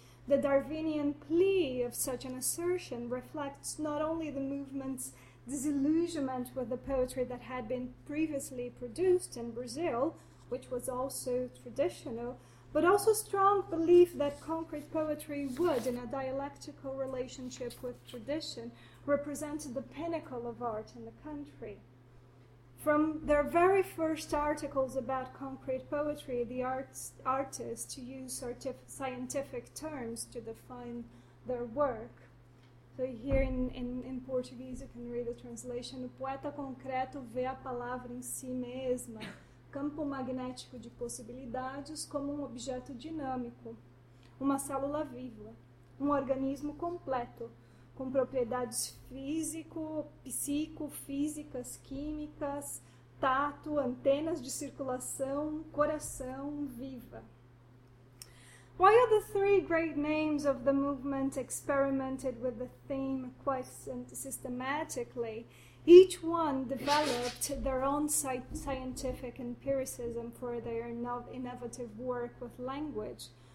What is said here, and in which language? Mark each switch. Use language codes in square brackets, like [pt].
[en] The Darwinian plea of such an assertion reflects not only the movement's disillusionment with the poetry that had been previously produced in Brazil, which was also traditional, but also strong belief that concrete poetry would, in a dialectical relationship with tradition, represent the pinnacle of art in the country. From their very first articles about concrete poetry, the artists use scientific terms to define their work. [pt] So here in Portuguese, you can read the translation, o poeta concreto vê a palavra em si mesma, campo magnético de possibilidades como objeto dinâmico, uma célula viva, organismo completo, com propriedades físico, psico, físicas, químicas, tato, antenas de circulação, coração, viva. [en] While the three great names of the movement experimented with the theme quite systematically, each one developed their own scientific empiricism for their innovative work with language.